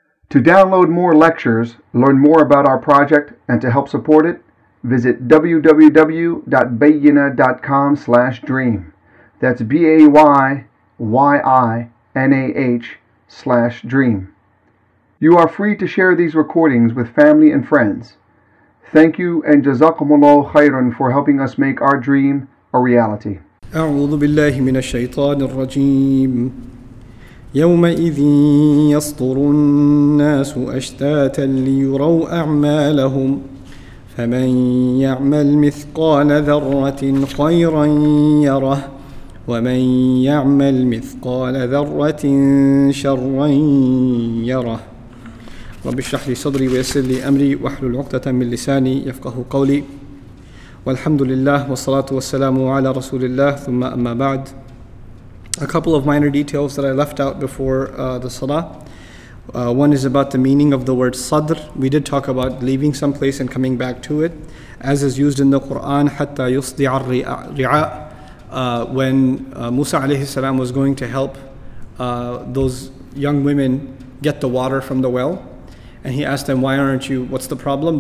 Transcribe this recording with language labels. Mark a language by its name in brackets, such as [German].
[English] To download more lectures, learn more about our project, and to help support it, visit www.bayinah.com/dream. That's BAYYINAH/dream. You are free to share these recordings with family and friends. Thank you and Jazakumullah khairan for helping us make our dream a reality. [Arabic] أعوذ بالله من الشيطان الرجيم. يومئذ يصدر الناس أشتاتا ليروا أعمالهم فمن يعمل مثقال ذرة خيرا يره ومن يعمل مثقال ذرة شرا يره رب اشرح لي صدري ويسر لي أمري واحلل عقدة من لساني يفقه قولي والحمد لله والصلاة والسلام على رسول الله ثم أما بعد. [English] A couple of minor details that I left out before the salah. One is about the meaning of the word sadr. We did talk about leaving some place and coming back to it, as is used in the Quran, [Arabic] حَتَّى يُصْدِعَ الرِّعَاءَ. [English] When Musa alayhi salam was going to help those young women get the water from the well, and he asked them, "Why aren't you? What's the problem?"